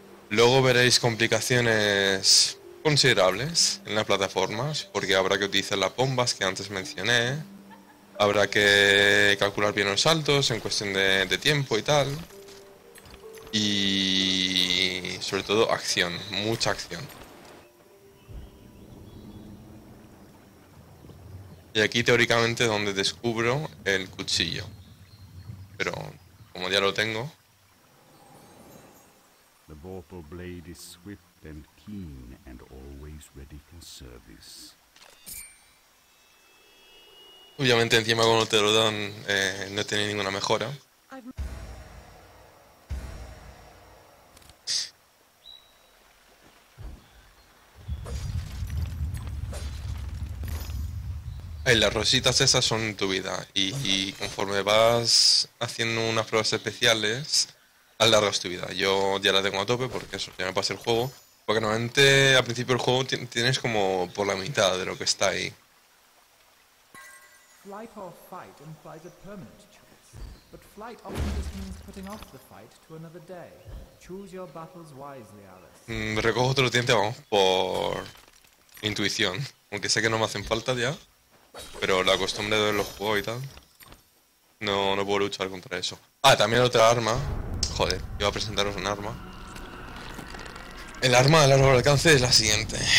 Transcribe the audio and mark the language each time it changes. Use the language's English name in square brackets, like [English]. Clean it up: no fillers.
[Spanish] Luego veréis complicaciones considerables en las plataformas, porque habrá que utilizar las bombas que antes mencioné, habrá que calcular bien los saltos en cuestión de tiempo y tal, y sobre todo acción, mucha acción. Y aquí teóricamente donde descubro el cuchillo, pero como ya lo tengo. [English] The Vorpal blade is swift and keen and always ready for service. [Spanish] Obviamente encima cuando te lo dan no tiene ninguna mejora. Las rositas esas son tu vida y conforme vas haciendo unas pruebas especiales, alargas tu vida. Yo ya la tengo a tope porque eso ya me pasa el juego. Porque normalmente al principio del juego tienes como por la mitad de lo que está ahí. [English] Flight or fight implies a permanent choice, but flight often just means putting off the fight to another day. Choose your battles wisely, Alice. [Spanish] Recojo otro diente, vamos, por intuición. Aunque sé que no me hacen falta ya, pero la costumbre de ver los juegos y tal. No, no puedo luchar contra eso. Ah, también otra arma. Joder, iba a presentaros un arma. El arma de largo alcance es la siguiente.